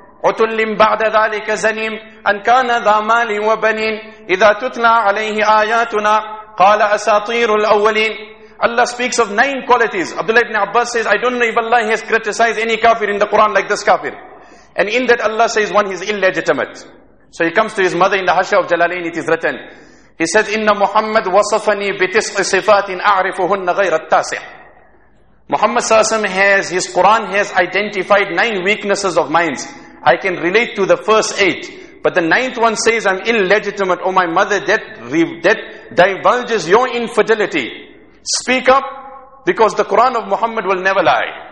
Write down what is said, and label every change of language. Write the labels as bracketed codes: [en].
[ar] عُتُلِّمْ بَعْدَ ذَلِكَ زَنِيمْ أَنْ كَانَ ذَا مَالٍ وَبَنِينَ إِذَا تُتْنَى عَلَيْهِ آيَاتُنَا قَالَ أَسَاطِيرُ الْأَوَّلِينَ. [en] Allah speaks of 9 qualities. Abdullah ibn Abbas says, I don't know if Allah has criticized any kafir in the Quran like this kafir. And in that Allah says, one, he's illegitimate. So he comes to his mother in the Hasha of Jalalain, it is written. He says, [ar] إِنَّ مُحَمَّدْ وَصَفَنِي بِتِسْعِ صِفَاتٍ أَعْرِفُهُنَّ غَيْرَ التَّاسِعِ. [en] Muhammad Sallallahu Alaihi Wasallam has, his Quran has identified 9 weaknesses of minds. I can relate to the first 8. But the 9th one says, I'm illegitimate. Oh my mother, that divulges your infidelity. Speak up, because the Quran of Muhammad will never lie.